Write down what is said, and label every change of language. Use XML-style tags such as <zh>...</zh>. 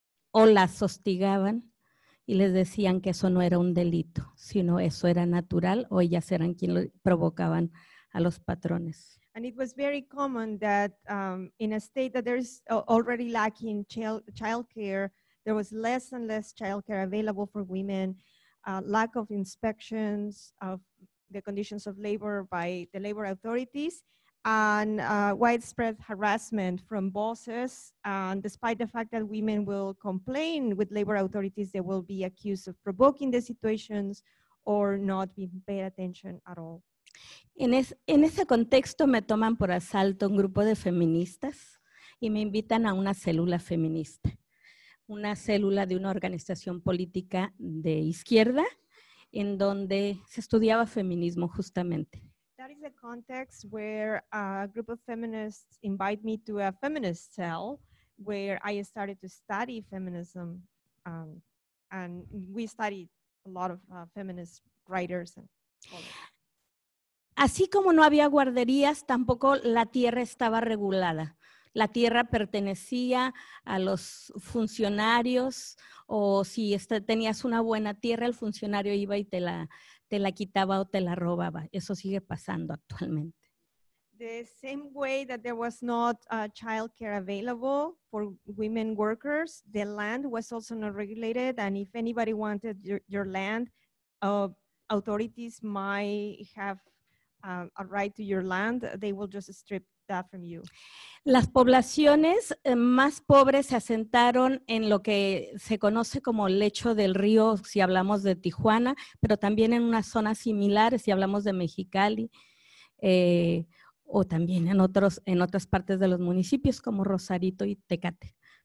<es>o las hostigaban y les decían que eso no era un delito, sino eso era natural o ellas eran quienes lo provocaban a los patrones.</es> <en>And it was very common that in a state that there's already lacking child care, there was less and less child care available for women. lack of inspections of the conditions of labor by the labor authorities, and widespread harassment from bosses. And despite the fact that women will complain with labor authorities, they will be accused of provoking the situations or not being paid attention at all.</en> <es>En ese contexto me toman por asalto un grupo de feministas y me invitan a una célula feminista, una célula de una organización política de izquierda en donde se estudiaba feminismo justamente.</es> <en>That is the context where a group of feminists invite me to a feminist cell where I started to study feminism, and we studied a lot of feminist writers and</en> <es>Así como no había guarderías, tampoco la tierra estaba regulada. La tierra pertenecía a los funcionarios, o si tenías una buena tierra, el funcionario iba y te la quitaba o te la robaba. Eso sigue pasando actualmente.</es> <en>The same way that there was not childcare available for women workers, the land was also not regulated, and if anybody wanted your land, authorities might have a right to your land, they will just strip that from you.</en> <es>Las poblaciones más pobres se asentaron en lo que se conoce como lecho del río, si hablamos de Tijuana, pero también en unas zonas similares, si hablamos de Mexicali, o también en otras partes de los municipios como Rosarito y Tecate.</es>